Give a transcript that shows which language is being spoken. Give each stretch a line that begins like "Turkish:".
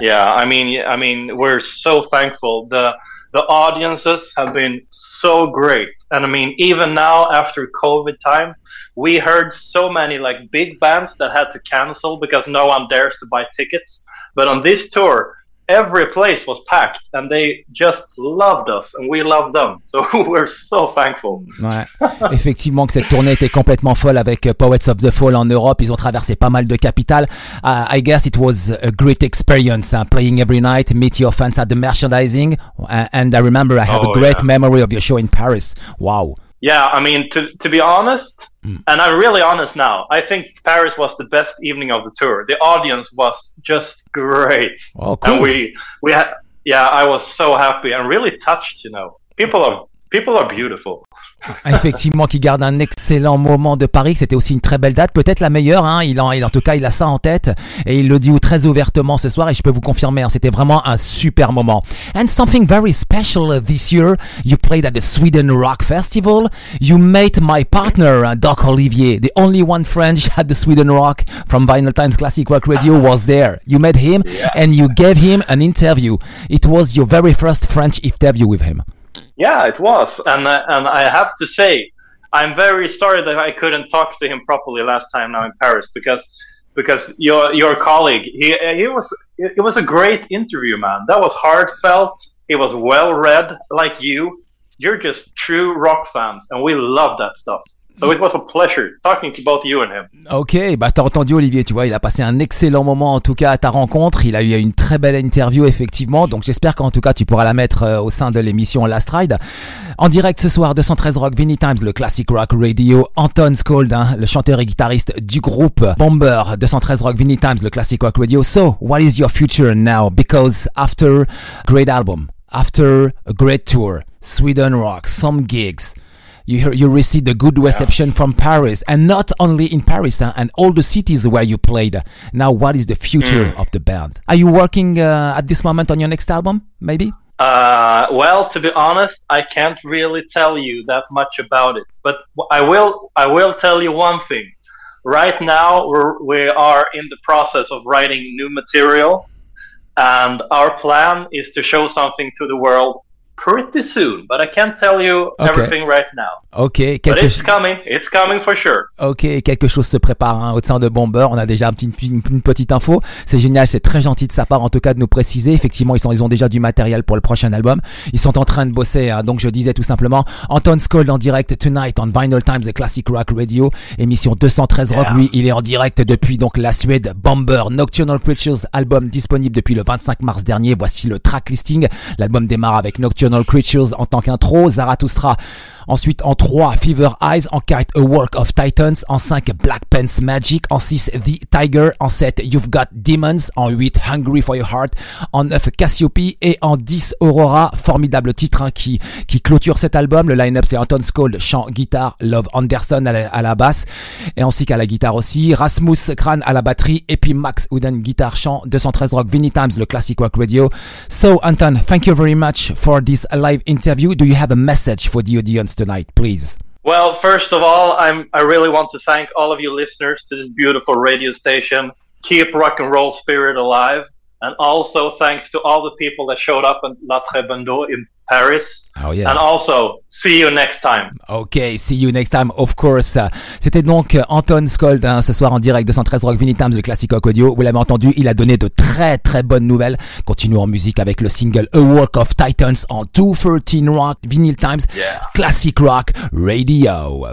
English: Yeah, I mean, we're so thankful. The audiences have been so great. And I mean, even now, after COVID time, we heard so many like big bands that had to cancel because no one dares to buy tickets. But on this tour, every place was packed and they just loved us and we loved them. So we're so thankful.
French: Ouais. Effectivement, que cette tournée était complètement folle avec Poets of the Fall en Europe. Ils ont traversé pas mal de capitales.
English: I guess it was a great experience, playing every night, meet your fans at the merchandising. And I remember I have a great memory of your show in Paris. Wow. Yeah, I mean, to be honest, and I'm really honest now, I think Paris was the best evening of the tour. The audience was just great. Oh, cool. And I was so happy and really touched, you know. People are People are beautiful.
French: Effectivement, qui garde un excellent moment de Paris. C'était aussi une très belle date, peut-être la meilleure. Hein. En tout cas, il a ça en tête et il le dit très ouvertement ce soir. Et je peux vous confirmer, hein, c'était vraiment un super moment.
English: And something very special this year, you played at the Sweden Rock Festival. You met my partner, Doc Olivier, the only one French at the Sweden Rock from Vinyl Times Classic Rock Radio was there. You met him and you gave him an interview. It was your very first French interview with him. Yeah, it was. And I have to say, I'm very sorry that I couldn't talk to him properly last time now in Paris, because your colleague, it was a great interview, man. That was heartfelt. It was well read, like you. You're just true rock fans and we love that stuff. So it was a pleasure talking to both you and him.
French: Ok, bah t'as entendu Olivier, tu vois, il a passé un excellent moment en tout cas à ta rencontre. Il a eu une très belle interview effectivement. Donc j'espère qu'en tout cas tu pourras la mettre au sein de l'émission Last Ride. En direct ce soir, 213 Rock, Vinny Times, le Classic Rock Radio, Anton Scold, hein, le chanteur et guitariste du groupe Bomber, 213 Rock, Vinny Times, le Classic Rock Radio.
English: So, what is your future now? Because after a great album, after a great tour, Sweden Rock, some gigs... You received a good reception from Paris, and not only in Paris, huh, and all the cities where you played. Now, what is the future of the band? Are you working at this moment on your next album, maybe? Well, to be honest, I can't really tell you that much about it. But I will tell you one thing. Right now, we are in the process of writing new material, and our plan is to show something to the world pretty soon, but I can't tell you everything right now. Okay, it's coming for sure.
French: Okay, quelque chose se prépare hein, au sein de Bomber. On a déjà une petite info. C'est génial, c'est très gentil de sa part, en tout cas, de nous préciser. Effectivement, ils ont déjà du matériel pour le prochain album. Ils sont en train de bosser. Hein, donc, je disais tout simplement, Anton Scold en direct
English: tonight on Vinyl Times, the Classic Rock Radio,
French: émission 213 Rock.
English: Yeah.
French: Lui, il est en direct depuis donc la Suède. Bomber, Nocturnal Creatures, album disponible depuis le 25 mars dernier. Voici le track listing. L'album démarre avec Nocturnal Creatures en tant qu'intro. Zarathustra. Ensuite, en 3, Fever Eyes. En 4, A Work of Titans. En 5, Black Pants Magic. En 6, The Tiger. En 7, You've Got Demons. En 8, Hungry for Your Heart. En 9, Cassiopeia. Et en 10, Aurora. Formidable titre hein, qui clôture cet album. Le line-up, c'est Anton Scold, chant, guitare, Love Anderson à la basse. Et ainsi qu'à la guitare aussi. Rasmus Kran à la batterie. Et puis Max Uden, guitare, chant, 213 Rock, Vinny Times, le Classic Rock Radio.
English: So, Anton, thank you very much for this live interview. Do you have a message for the audience tonight, please? Well, first of all, I really want to thank all of you listeners to this beautiful radio station. Keep rock and roll spirit alive. And also thanks to all the people that showed up at La Trébando in Paris. Oh, yeah. And also, see you next time. Okay, see you next time, of course.
French: C'était donc Anton Scold hein, ce soir en direct de 213 Rock Vinny Times, le Classic Rock Audio. Vous l'avez entendu, il a donné de très très bonnes nouvelles. Continuons en musique avec le single A Walk of Titans en 213 Rock Vinny Times, Classic Rock Radio.